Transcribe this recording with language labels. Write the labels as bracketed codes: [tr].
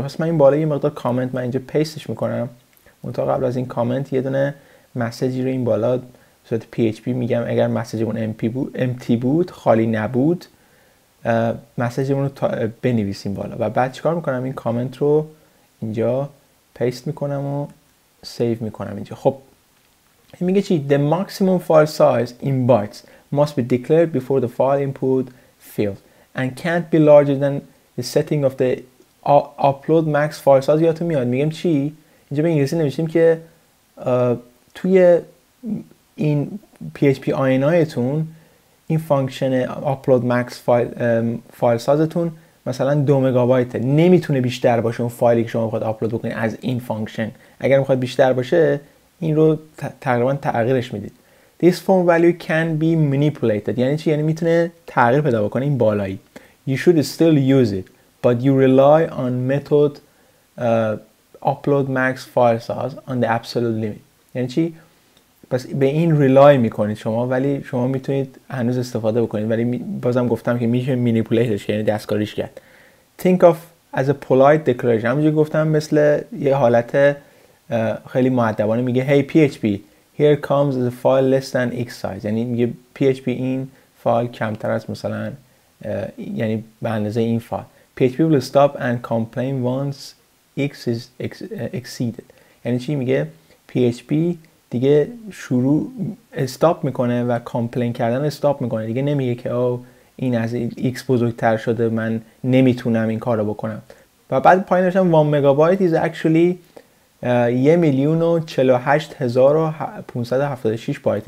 [fa] پس من این بالا یه مقدار کامنت من اینجا پیستش میکنم. منتها قبل از این کامنت یه دونه مسیجی رو این بالا به صورت PHP میگم. اگر مسیجمون empty بود، خالی نبود، مسیجمون رو بنویسیم بالا. و بعد چیکار میکنم؟ این کامنت رو اینجا پیست میکنم و سیو میکنم اینجا. خب این میگه چی؟ [en] the maximum file size in bytes must be declared before the file input field and can't be larger than the setting of the upload max file size. [fa] یادتون میاد میگم چی؟ اینجا به انگلیسی نوشتیم که توی این PHP INIتون این فانکشن upload max file sizeتون مثلا 2 مگابایت نمیتونه بیشتر باشه اون فایلی که شما میخواد آپلود بکنید از این فانکشن. اگر میخواد بیشتر باشه این رو تقریبا تغییرش میدید. [en] This form value can be manipulated. [fa] یعنی چی؟ یعنی میتونه تغییر پیدا بکنه این بالایی. [en] You should still use it but you rely on method upload max file size on the absolute limit. [fa] یعنی چی؟ پس به این ریلای میکنید شما، ولی شما میتونید هنوز استفاده بکنید، ولی بازم گفتم که میشه مینیپولیتش، یعنی دستکاریش کرد. [en] Think of as a polite declaration. [fa] همونجور گفتم مثل یه حالت خیلی مؤدبانه میگه [en] hey PHP, here comes the file less than X size. [fa] یعنی میگه PHP این فایل کمتر از مثلا یعنی به اندازه این فایل. [en] PHP will stop and complain once X is exceeded. [fa] یعنی چی؟ میگه PHP دیگه شروع استاپ میکنه و کامپلین کردن استاپ میکنه، دیگه نمیگه که او این از X بزرگتر شده من نمیتونم این کار رو بکنم. و بعد پایین داشتم 1 مگابایت [en] is actually [fa] 1,048,576 بایت.